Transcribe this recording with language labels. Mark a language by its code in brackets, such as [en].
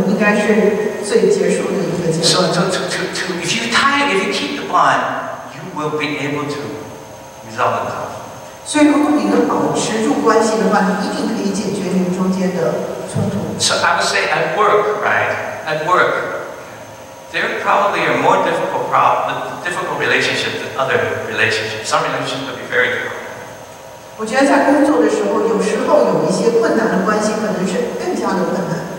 [en] So if you tie, if you keep the bond, you will be able to resolve the conflict. [zh] 所以如果你能保持住关系的话，你一定可以解决你们中间的冲突。 [en] So I would say at work, right? At work, there probably are more difficult difficult relationships than other relationships. Some relationships could be very difficult. [zh] 我觉得在工作的时候，有时候有一些困难的关系，可能是更加的困难。